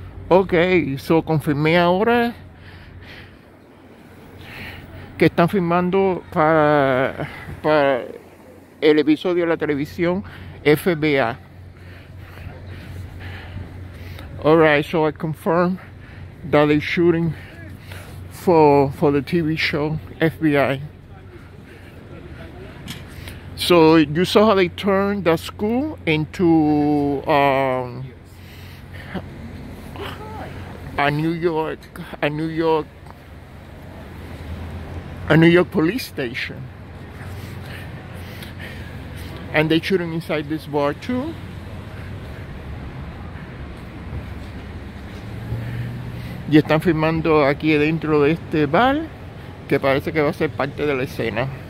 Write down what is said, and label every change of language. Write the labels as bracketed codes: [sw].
[es] Okay, so confirmé ahora que están filmando para el episodio de la televisión FBI. [en] All right, so I confirm that they're shooting for the TV show FBI. So you saw how they turned the school into a New York police station, and they're shooting inside this bar too. [es] Y están filmando aquí dentro de este bar, que parece que va a ser parte de la escena.